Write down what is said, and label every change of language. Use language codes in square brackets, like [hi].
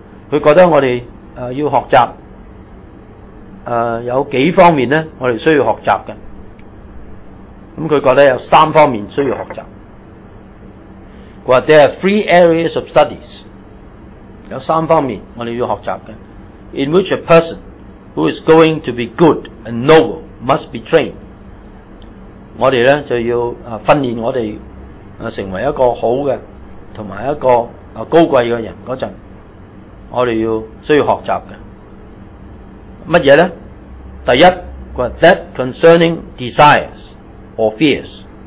[yue] 佢覺得我哋要學習有幾方面咧，我哋需要學習嘅。咁佢覺得有三方面需要學習。佢話 [en] there are three areas of studies。 [yue] 有三方面我哋要學習嘅 [en] ，in which a person who is going to be good and noble must be trained。 [yue] 我哋咧就要訓練我哋成為一個好嘅同埋一個高貴嘅人嗰陣，我哋要需要學習嘅乜嘢咧？第一，佢話 [en] that concerning desires or fears。